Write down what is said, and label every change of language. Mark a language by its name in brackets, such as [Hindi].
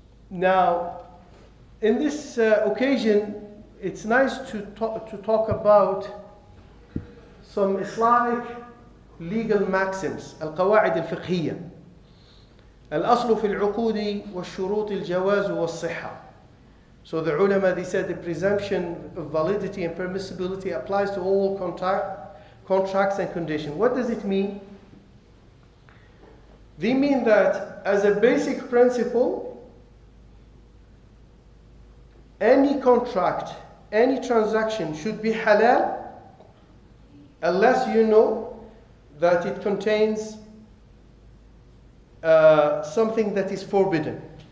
[English] Now, in this occasion, it's nice to talk about some Islamic legal maxims, al-qawa'id al-fiqhiyya. [Arabic] الأصل في العقود والشروط الجواز والصحة [English] So the ulama, they said the presumption of validity and permissibility applies to all contracts and conditions. What does it mean? They mean that as a basic principle, any contract, any transaction should be halal unless you know that it contains something that is forbidden.